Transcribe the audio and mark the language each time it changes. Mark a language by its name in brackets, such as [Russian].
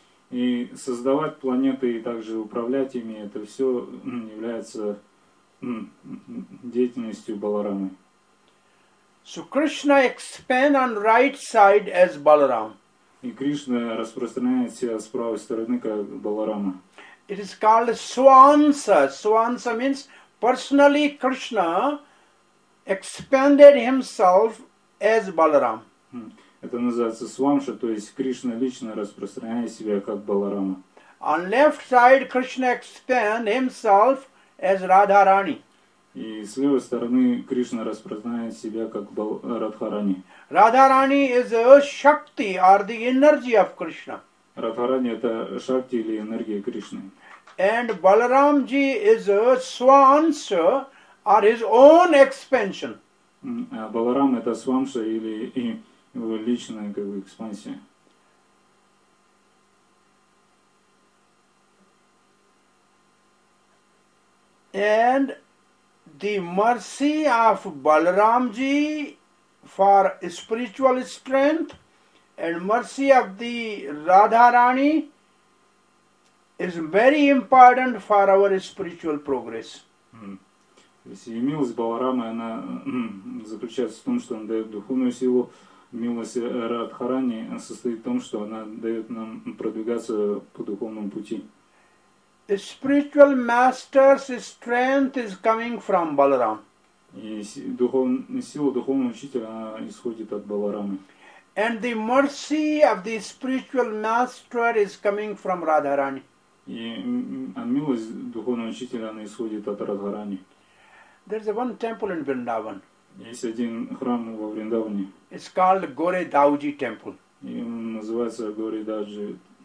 [Russian] И создавать планеты и также управлять ими, это все является деятельностью Баларамы. [English] So Krishna expands on right side as Balaram. [Russian] И Кришна распространяет себя с правой стороны как Баларама. [English] It is called Swamsa. Swamsa means personally Krishna expanded himself as Balaram. [Russian] Это называется Свамша, то есть Кришна лично распространяет себя как Баларама. [English] On left side Krishna expands himself as Radharani. [Russian] И с левой стороны Кришна распространяет себя как Радхарани. [English] Радхарани is a Shakti or the energy of Krishna. [Russian] Радхарани это Шакти или энергия Кришны. [English] And Balaramji is a Swamsa or his own expansion. [Russian] Баларам это Свамша или его личная как бы экспансия. [English] And the mercy of Balaramji for spiritual strength and mercy of the Radharani is very important for our spiritual progress. [Russian] То есть и милость Баларамы, она заключается в том, что она дает духовную силу. Милость Радхарани состоит в том, что она дает нам продвигаться по духовному пути. [English] The spiritual master's strength is coming from Balaram. [Russian] И сила духовного учителя исходит от Баларамы. [English] And the mercy of the spiritual master is coming from Radharani. [Russian] И милость духовного учителя исходит от Радхарани. [English] There's one temple in Vrindavan. [Russian] Есть один храм во Вриндаване. [English] It's called Gore Dauji Temple. [Russian] И называется Gore Dauji.